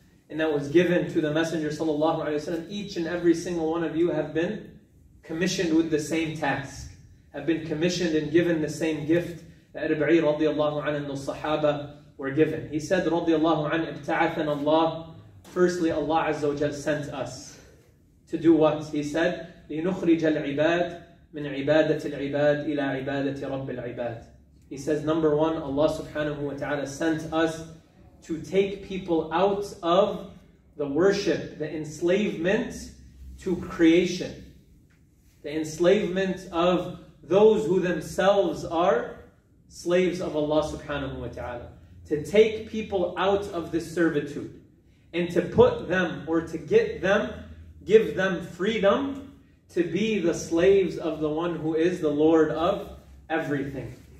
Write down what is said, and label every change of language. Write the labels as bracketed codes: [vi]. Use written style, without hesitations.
[en] and that was given to the Messenger sallallahu alaihi wasallam, each and every single one of you have been commissioned with the same task, have been commissioned and given the same gift that Rabi'i radiallahu anhu and the Sahaba were given. He said, radiallahu anhu, ibta'athan Allah, firstly Allah Azza wa Jal sent us to do what? [ar] He said, لِنُخْرِجَ الْعِبَادِ مِنْ عِبَادَةِ الْعِبَادِ إِلَىٰ عِبَادَةِ رَبِّ الْعِبَادِ. [en] He says, number one, Allah subhanahu wa ta'ala sent us to take people out of the worship, the enslavement to creation, the enslavement of those who themselves are slaves of Allah subhanahu wa ta'ala, to take people out of this servitude and to put them, or to get them, give them freedom to be the slaves of the one who is the Lord of everything.